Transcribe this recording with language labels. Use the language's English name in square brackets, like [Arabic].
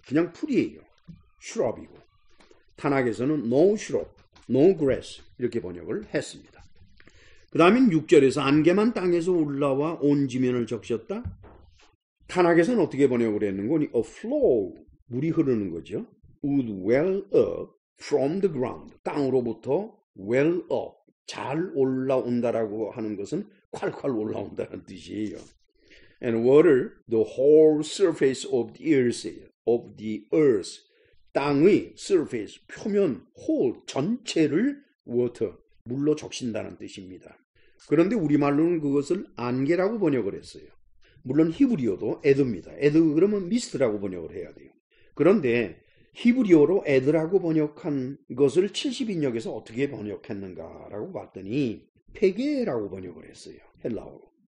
[Korean] 그냥 풀이에요. shrub이고. 탄악에서는 [English] no shrub, no grass [Korean] 이렇게 번역을 했습니다. 그 다음인 6절에서 안개만 땅에서 올라와 온 지면을 적셨다. 탄악에서는 어떻게 번역을 했는 거니? [English] a flow, [Korean] 물이 흐르는 거죠. [English] would well up from the ground. [Korean] 땅으로부터 [English] well up. [Korean] 잘 올라온다라고 하는 것은 콸콸 올라온다는 뜻이에요. [English] And water, the whole surface of the earth. of the earth. [Korean] 땅의 surface, 표면, whole, 전체를 water, 물로 적신다는 뜻입니다. 그런데 우리말로는 그것을 안개라고 번역을 했어요. 물론 히브리어도 에드입니다. 에드 그러면 미스트라고 번역을 해야 돼요. 그런데 히브리어로 에드라고 번역한 것을 70인역에서 어떻게 번역했는가라고 봤더니 페게라고 번역을 했어요. 헬라어로.